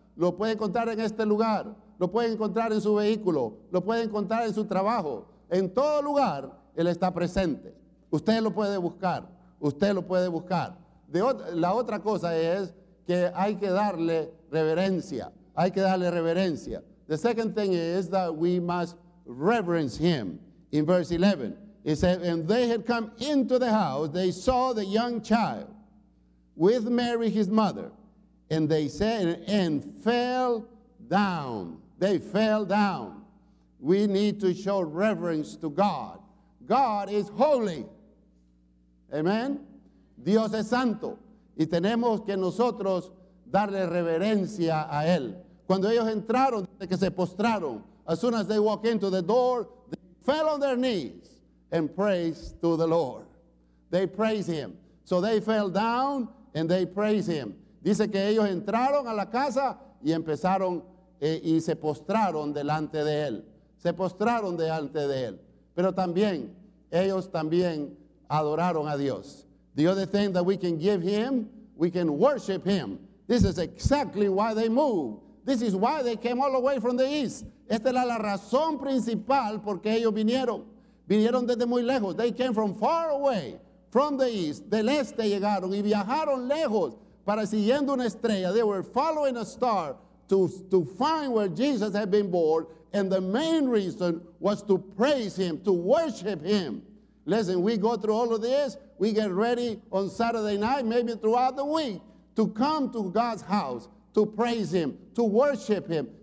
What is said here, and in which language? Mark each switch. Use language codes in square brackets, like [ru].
[es] Lo puede encontrar en este lugar. Lo puede encontrar en su vehículo. Lo puede encontrar en su trabajo. En todo lugar, Él está presente. Usted lo puede buscar. Usted lo puede buscar. La otra cosa es que hay que darle reverencia. Hay que darle reverencia. [en] The second thing is that we must reverence him. In verse 11, it says, and they had come into the house, they saw the young child with Mary, his mother, and they said, and fell down. They fell down. We need to show reverence to God. God is holy. Amen. [es] Dios es santo. Y tenemos que nosotros darle reverencia a él. Cuando ellos entraron, desde que se postraron, [en] as soon as they walked into the door, they fell on their knees and praised to the Lord. They praised him. So they fell down and they praised him. [es] Dice que ellos entraron a la casa y empezaron y se postraron delante de él. Se postraron delante de él. Pero también, ellos también adoraron a Dios. [en] The other thing that we can give him, we can worship him. This is exactly why they moved. This is why they came all the way from the east. [es] Esta era la razón principal porque ellos vinieron. Vinieron desde muy lejos. [en] They came from far away, from the east. [es] Del este llegaron y viajaron lejos para siguiendo una estrella. [en] They were following a star to find where Jesus had been born. And the main reason was to praise him, to worship him. Listen, we go through all of this. We get ready on Saturday night, maybe throughout the week, to come to God's house, to praise him, to worship him.